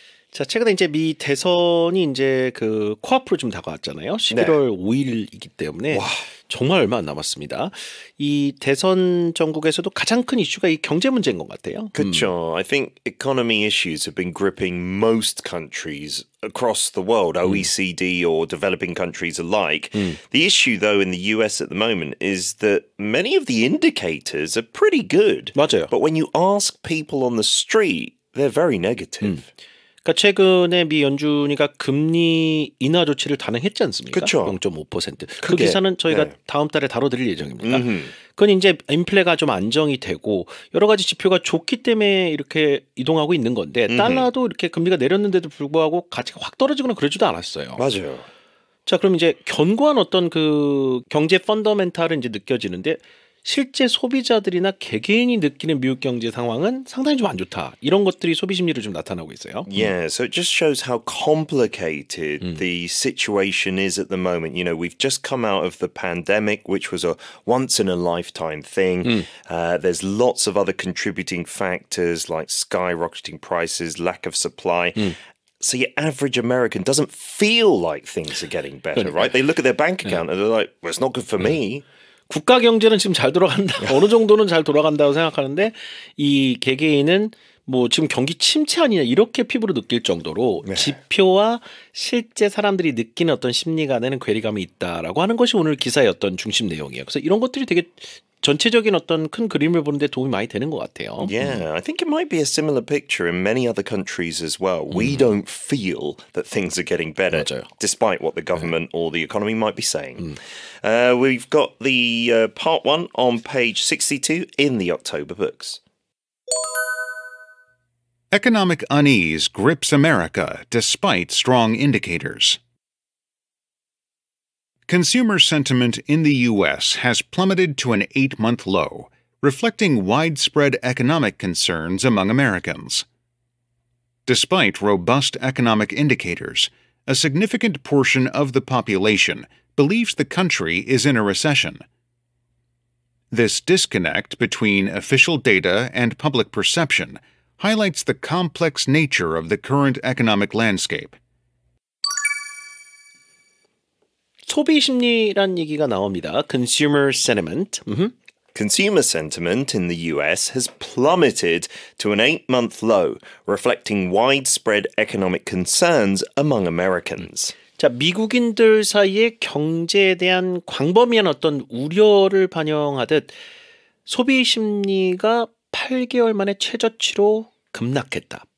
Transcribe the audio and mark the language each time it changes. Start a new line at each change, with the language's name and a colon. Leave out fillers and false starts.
Korean: 자, 최근에 이제 미 대선이 이제 그 코앞으로 좀 다가왔잖아요. 11월 네. 5일이기 때문에 와. 정말 얼마 안 남았습니다. 이 대선 전국에서도 가장 큰 이슈가 이 경제 문제인 것 같아요. 그렇죠.
English: I think economy issues have been gripping most countries across the world, OECD or developing countries alike. The issue though in the US at the moment is that many of the indicators are pretty good.
Korean: 맞아요.
English: But when you ask people on the street, they're very negative.
Korean: 그러니까 최근에 미 연준이가 금리 인하 조치를 단행했지 않습니까? 그렇죠. 0.5%. 그 기사는 저희가 네. 다음 달에 다뤄드릴 예정입니다. 음흠. 그건 이제 인플레가 좀 안정이 되고 여러 가지 지표가 좋기 때문에 이렇게 이동하고 있는 건데 음흠. 달러도 이렇게 금리가 내렸는데도 불구하고 가치가 확 떨어지거나 그러지도 않았어요. 맞아요. 자, 그럼 이제 견고한 어떤 그 경제 펀더멘탈은 이제 느껴지는데 실제 소비자들이나 개개인이 느끼는 미국 경제 상황은 상당히 좀 안 좋다. 이런 것들이 소비 심리로 좀 나타나고 있어요.
English: Yeah, so it just shows how complicated the situation is at the moment. You know, we've just come out of the pandemic, which was a once-in-a-lifetime thing. There's lots of other contributing factors like skyrocketing prices, lack of supply. So your average American doesn't feel like things are getting better, right? They look at their bank account and they're like, well, it's not good for me.
Korean: 국가 경제는 지금 잘 돌아간다. 어느 정도는 잘 돌아간다고 생각하는데 이 개개인은 뭐 지금 경기 침체 아니냐 이렇게 피부로 느낄 정도로 네. 지표와 실제 사람들이 느끼는 어떤 심리간에는 괴리감이 있다라고 하는 것이 오늘 기사의 어떤 중심 내용이에요. 그래서 이런 것들이 되게 전체적인 어떤 큰 그림을 보는데 도움이 많이 되는 것 같아요.
English: Yeah, I think it might be a similar picture in many other countries as well. We don't feel that things are getting better,
Korean: 맞아요.
English: despite what the government or the economy might be saying. We've got the part one on page 62 in the October books. Economic unease grips America despite strong indicators. Consumer sentiment in the U.S. has plummeted to an 8-month low, reflecting widespread economic concerns among Americans. Despite robust economic indicators, a significant portion of the population believes the country is in a recession. This disconnect between official data and public perception highlights the complex nature of the current economic landscape.
Korean: 소비 심리란 얘기가 나옵니다.
English: Consumer sentiment. Consumer sentiment in the US has plummeted to an 8-month low, reflecting widespread economic concerns among Americans.
Korean: 자, 미국인들 사이에 경제에 대한 광범위한 어떤 우려를 반영하듯 소비 심리가 8개월 만에 최저치로 급락했다.